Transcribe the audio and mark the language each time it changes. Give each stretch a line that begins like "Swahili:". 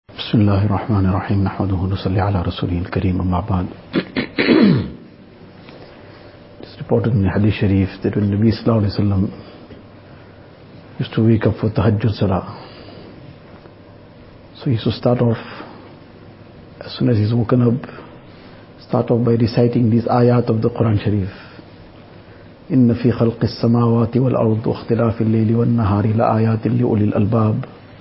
Arabic: بسم الله الرحمن الرحيم نحمده ونصلي على رسوله الكريم أما بعد.
English: It's reported in the Hadith Sharif that when Nabi sallallahu alayhi wa sallam used to wake up for tahajjud salah, so he used to start off, as soon as he's woken up, start off by reciting these ayat of the Quran Sharif.
Arabic: إن في خلق السماوات والأرض واختلاف الليل والنهار لآيات لأولي الألباب.